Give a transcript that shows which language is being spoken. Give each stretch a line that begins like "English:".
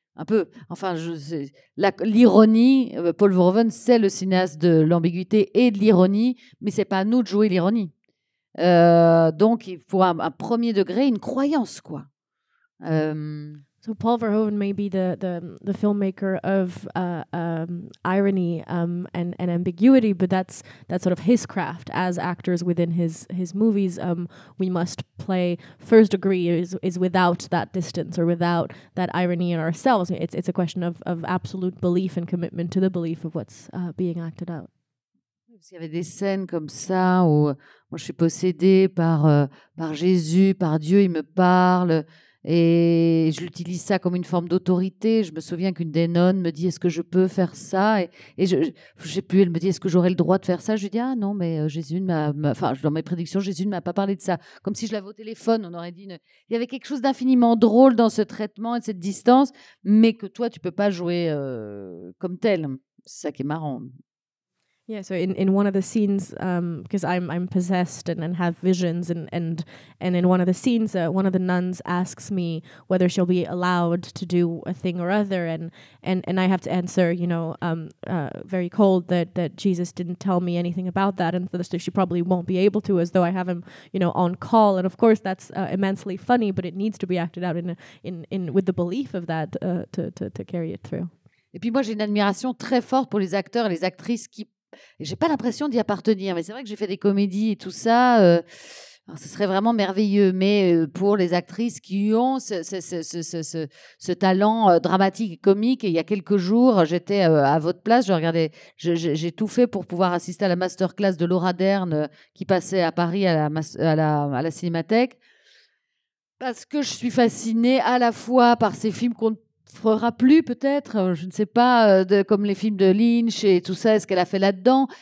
French: un peu, enfin, l'ironie, Paul Verhoeven, c'est le cinéaste de l'ambiguïté et de l'ironie, mais c'est pas à nous de jouer l'ironie. Donc, il faut un premier degré, une croyance, quoi.
English: So Paul Verhoeven may be the filmmaker of irony and ambiguity, but that's sort of his craft as actors within his movies. We must play first degree is without that distance or without that irony in ourselves. It's a question of absolute belief and commitment to the belief of what's being acted out.
French: Il y avait des scènes comme ça où moi je suis possédée par Jésus, par Dieu, il me parle. Et j'utilise ça comme une forme d'autorité. Je me souviens qu'une des nonnes me dit « Est-ce que je peux faire ça ?» Et je ne sais plus, elle me dit « Est-ce que j'aurais le droit de faire ça ?» Je lui dis « Ah non, mais Jésus ne m'a... » Enfin, dans mes prédictions, Jésus ne m'a pas parlé de ça. Comme si je l'avais au téléphone, on aurait dit... Il y avait quelque chose d'infiniment drôle dans ce traitement et cette distance, mais que toi, tu ne peux pas jouer comme tel. C'est ça qui est marrant.
English: Yeah, so in one of the scenes, because I'm possessed and have visions, and in one of the scenes, one of the nuns asks me whether she'll be allowed to do a thing or other, and I have to answer, you know, very cold that Jesus didn't tell me anything about that, and so she probably won't be able to, as though I have him, you know, on call, and of course that's immensely funny, but it needs to be acted out in with the belief of that to carry it through.
French: Et puis moi j'ai une admiration très forte pour les acteurs et les actrices qui j'ai pas l'impression d'y appartenir, mais c'est vrai que j'ai fait des comédies et tout ça. Alors, ce serait vraiment merveilleux, mais pour les actrices qui ont ce talent dramatique et comique, et il y a quelques jours, j'étais à votre place, je regardais, j'ai tout fait pour pouvoir assister à la masterclass de Laura Dern qui passait à Paris à la Cinémathèque, parce que je suis fascinée à la fois par ces films qu'on fera plus peut-être, je ne sais pas, comme les films de Lynch et tout ça, est-ce qu'elle a fait là-dedans.